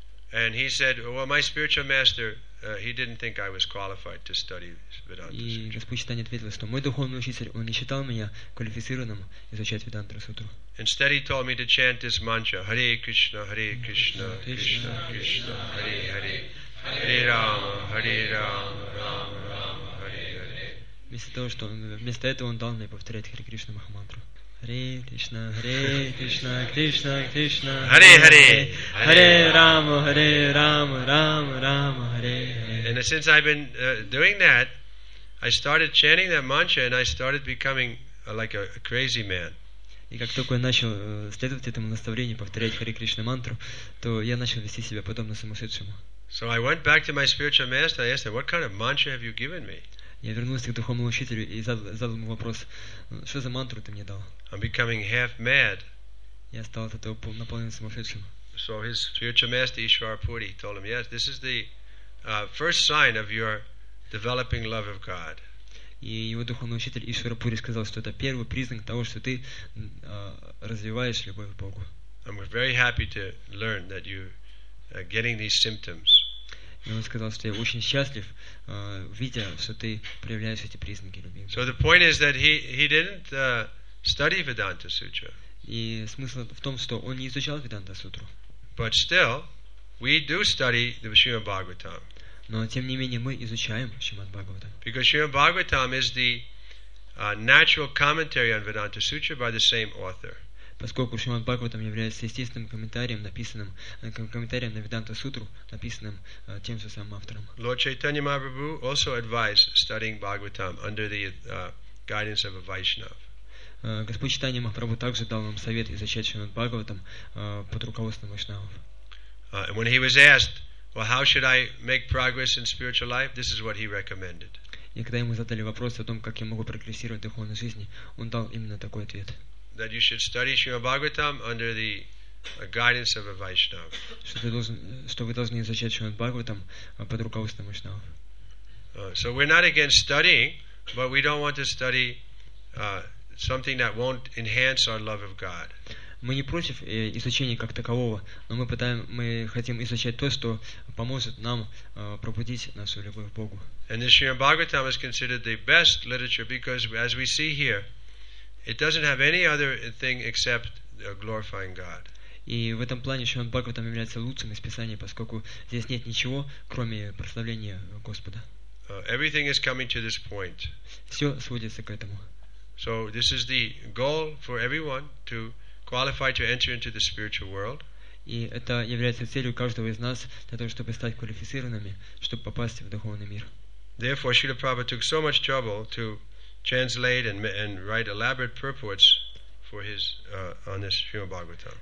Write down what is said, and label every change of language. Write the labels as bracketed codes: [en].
[en] And he said, well, my spiritual master, he didn't think I was qualified to study Vedanta Sutra. [ru] И Господь Читания ответил, что мой духовный учитель, он не считал меня квалифицированным изучать Веданту Сутру. [en] Instead, he told me to chant this mantra, [sa] Hare Krishna, Hare Krishna, Krishna Krishna, Krishna Krishna, Krishna Hare Hare, Hare Rama, Hare Rama, Rama Rama, Hare Hare. [ru] Вместо этого он дал мне повторять Hare Krishna Mahamantra. [sa] Hare Krishna, Hare Krishna, Krishna Krishna, Hare Hare, Hare Rama, Hare Rama, Rama Rama, Hare Hare. [en] And since I've been doing that, I started chanting that mantra and I started becoming like a crazy man. [ru] И как только я начал следовать этому наставлению, повторять Hare Krishna мантру, то я начал вести себя подобно сумасшедшему. [en] So I went back to my spiritual master and I asked him, what kind of mantra have you given me? [ru] Я вернулся к духовному учителю и задал ему вопрос, что за мантру ты мне дал? [en] I'm becoming half mad. [ru] Я стал от этого наполненным сумасшедшим. [en] So his spiritual master Ishwarapuri told him, yes, this is the first sign of your developing love of God. [ru] И его духовный учитель Ишварапури сказал, что это первый признак того, что ты развиваешь любовь к Богу. [en] And we're very happy to learn that you're getting these symptoms. [ru] И он сказал, что я очень счастлив, видя, что ты проявляешь эти признаки любви. [en] So the point is that he didn't study Vedanta Sutra. [ru] И смысл в том, что он не изучал Веданта Сутру. [en] But still, we do study the Srimad Bhagavatam. [ru] Но тем не менее мы изучаем Шримад Бхагаватам. [en] Because Srimad Bhagavatam is the natural commentary on Vedanta Sutra by the same author. [ru] Поскольку Шримад Бхагаватам является естественным комментарием, написанным комментарием на Веданта Сутру, написанным тем же самым автором. [en] Lord Chaitanya Mahaprabhu also advised studying Bhagavatam under the guidance of a Vaishnav. [ru] Господь Чайтанья Махапрабху также дал нам совет изучать Шримад Бхагаватам под руководством Вайшнавов. [en] And when he was asked, well, how should I make progress in spiritual life? This is what he recommended. [ru] И когда ему задали вопрос о том, как я могу прогрессировать в духовной жизни, он дал именно такой ответ. [en] That you should study Srimad Bhagavatam under the guidance of a Vaishnava. [ru] Что вы должны изучать Шримад Бхагаватам под руководством Вайшнава. [en] So we're not against studying, but we don't want to study something that won't enhance our love of God. [ru] Мы не против изучения как такового, но мы хотим изучать то, что поможет нам пробудить нашу любовь к Богу. [en] And the Srimad Bhagavatam is considered the best literature because, as we see here, it doesn't have any other thing except glorifying God. [ru] И в этом плане Шримад Бхагаватам является лучшим из Писания, поскольку здесь нет ничего, кроме прославления Господа. [en] Everything is coming to this point. [ru] Все сводится к этому. [en] So this is the goal for everyone to qualify to enter into the spiritual world. [ru] И это является целью каждого из нас для того, чтобы стать квалифицированными, чтобы попасть в духовный мир. [en] Therefore, Srila Prabhupada took so much trouble to translate and write elaborate purports for his on this Srimad Bhagavatam.